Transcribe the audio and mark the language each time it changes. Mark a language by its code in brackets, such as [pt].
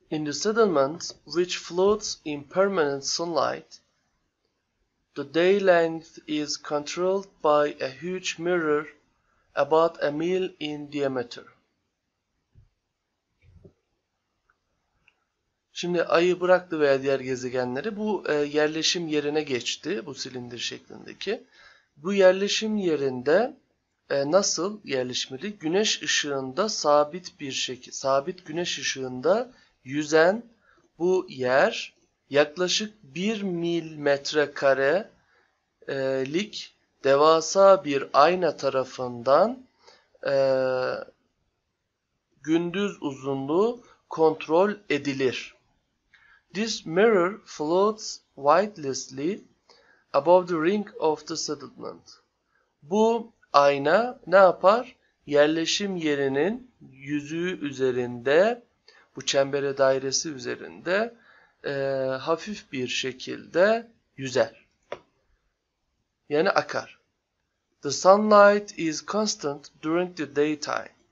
[en] In the sediment which floats in permanent sunlight, the day length is controlled by a huge mirror about a mile in diameter. [tr] Şimdi ayı bıraktı veya diğer gezegenleri bu yerleşim yerine geçti, bu silindir şeklindeki. Bu yerleşim yerinde nasıl yerleşmeli? Güneş ışığında sabit bir şekil, sabit güneş ışığında yüzen bu yer yaklaşık 1 mil metrekarelik devasa bir ayna tarafından gündüz uzunluğu kontrol edilir. [en] This mirror floats weightlessly above the ring of the settlement. [tr] Bu ayna ne yapar? Yerleşim yerinin yüzüğü üzerinde, bu çembere dairesi üzerinde hafif bir şekilde yüzer. Yani akar. [en] The sunlight is constant during the daytime.